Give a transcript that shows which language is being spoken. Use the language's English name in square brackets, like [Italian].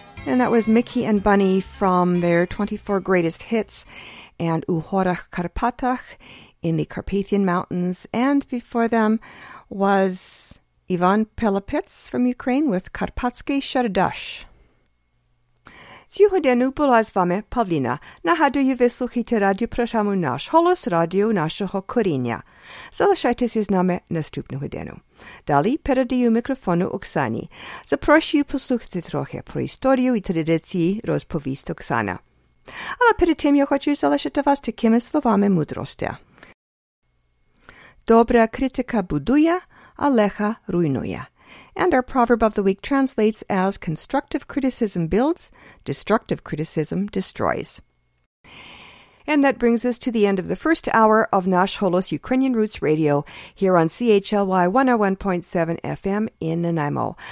[English] And that was Mickey and Bunny from their 24 Greatest Hits and Uhorach Karpatach in the Carpathian Mountains. And before them was Ivan Pilipets from Ukraine with Karpatsky Sherdash. [Ukrainian] Цього дену була з вами Павліна. Нагадую, ви слухаєте радіопрограму «Наш голос», радіо нашого коріння. Залишайтеся з нами наступного дену. Далі передаю мікрофону Оксані. Запрошую послухати трохи про історію і традиції розповість Оксана. Але перед тим я хочу залишити вас такими словами мудрості. Добра критика будує, а лиха руйнує. [English] And our proverb of the week translates as constructive criticism builds, destructive criticism destroys. And that brings us to the end of the first hour of Nash Holos Ukrainian Roots Radio here on CHLY 101.7 FM in Nanaimo.